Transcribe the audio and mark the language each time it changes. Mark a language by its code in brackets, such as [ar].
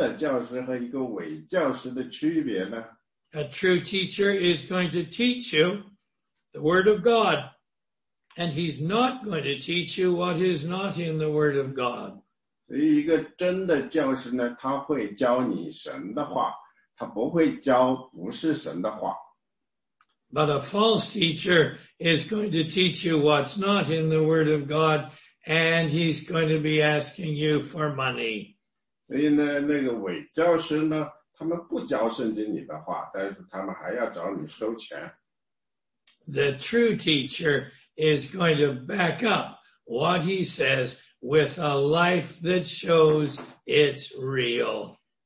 [zh] 你怎么知道一个真的教师和一个伪教师的区别呢? [en] A true teacher is going to teach you the word of God, and he's not going to teach you what is not in the word of God. [zh] 所以一个真的教师呢，他会教你神的话，他不会教不是神的话。 [en] But a false teacher is going to teach you what's not in the word of God, and he's going to be asking you for money. [zh] 所以呢，那个伪教师呢，他们不教圣经里的话，但是他们还要找你收钱。 [en] The true teacher is going to back up what he says with a life that shows it's real.